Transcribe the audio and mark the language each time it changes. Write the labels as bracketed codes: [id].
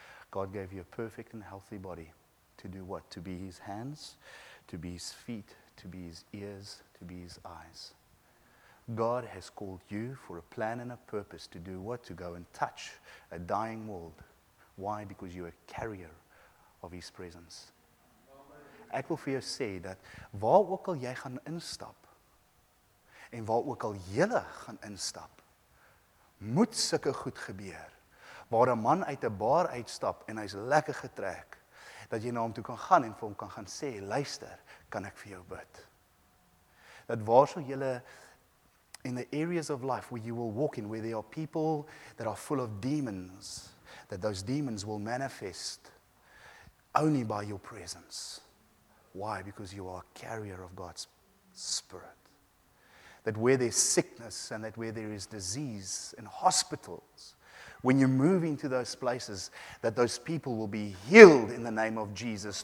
[en] God gave you a perfect and healthy body to do what? To be his hands, to be his feet, to be his ears, to be his eyes. God has called you for a plan and a purpose to do what? To go and touch a dying world. Why? Because you are a carrier of his presence. [af] Ek wil vir jou sê dat waar ook al jy gaan instap en waar ook al jy gaan instap, moet sulke goed gebeur. Waar 'n man uit 'n bar uitstap en hy's lekker getrek, dat jy na hom toe kan gaan en vir hom kan gaan sê, luister, kan ek vir jou bid? Dat waar sou jy [en] in the areas of life where you will walk in, where there are people that are full of demons, that those demons will manifest only by your presence. Why? Because you are a carrier of God's Spirit. That where there's sickness and that where there is disease in hospitals, when you move into those places, that those people will be healed in the name of Jesus.